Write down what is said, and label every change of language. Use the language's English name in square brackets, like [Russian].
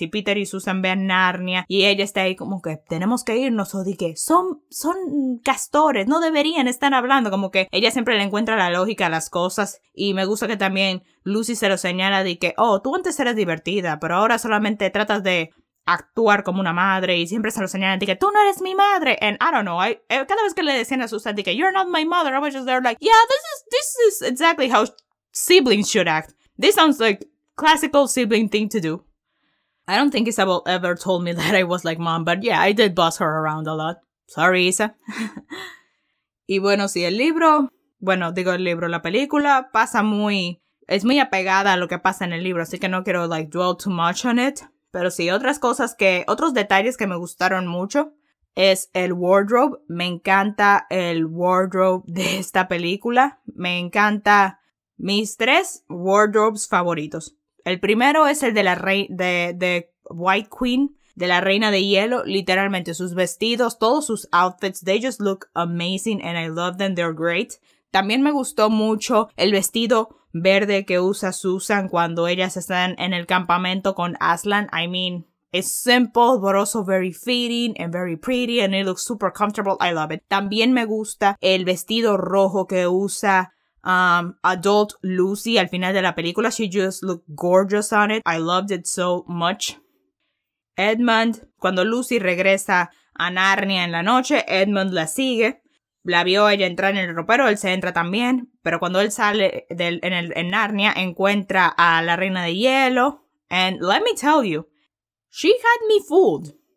[Spanish] Y Peter y Susan ven Narnia. Y ella está ahí como que, tenemos que irnos. O dije, son castores, no deberían estar hablando. Como que ella siempre le encuentra la lógica a las cosas. Y me gusta que también Lucy se lo señala. De que, oh, tú antes eras divertida, pero ahora solamente tratas de actuar como una madre. Y siempre se lo señala. De que, tú no eres mi madre. [English] And I don't know. [Spanish] Cada vez que le decían a Susan, de que, [English] you're not my mother. I was just there like, yeah, this is exactly how... siblings should act. This sounds like classical sibling thing to do. I don't think Isabel ever told me that I was like mom, but yeah, I did boss her around a lot. Sorry, Isa. [Spanish] Y bueno, sí, la película pasa muy... Es muy apegada a lo que pasa en el libro, así que no quiero [English] dwell too much on it. [Spanish] Pero sí, otros detalles que me gustaron mucho. es el wardrobe. Me encanta el wardrobe de esta película. Me encanta mis tres wardrobes favoritos. El primero es el de la White Queen, de la Reina de Hielo. Literalmente, sus vestidos, todos sus outfits, [English] they just look amazing and I love them, they're great. [Spanish] También me gustó mucho el vestido verde que usa Susan cuando ellas están en el campamento con Aslan. [English] I mean, it's simple, but also very fitting and very pretty and it looks super comfortable. I love it. [Spanish] También me gusta el vestido rojo que usa adult Lucy al final de la película. [English] She just looked gorgeous on it. I loved it so much. [Spanish] Edmund, cuando Lucy regresa a Narnia en la noche, Edmund la sigue. La vio ella entrar en el ropero, él se entra también. Pero cuando él sale en Narnia, encuentra a la Reina de Hielo. [English] And let me tell you, she had me fooled.